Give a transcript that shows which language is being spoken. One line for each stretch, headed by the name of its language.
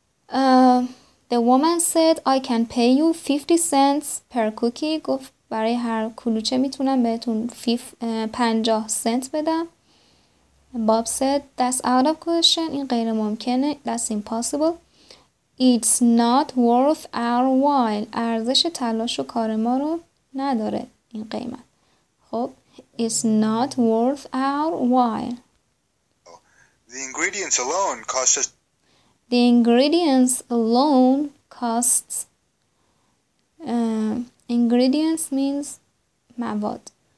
English: The woman said, I can pay you 50 cents per cookie.
Persian: گفت برای هر کلوچه میتونم بهتون 50 سنت بدم.
English: Bob said, that's out of question.
Persian: این غیر ممکنه.
English: That's impossible. It's not worth our while.
Persian: ارزش تلاش و کار ما رو نداره این قیمت.
English: خب, it's not worth our while. The ingredients alone cost us. The ingredients alone costs. Ingredients means مواد.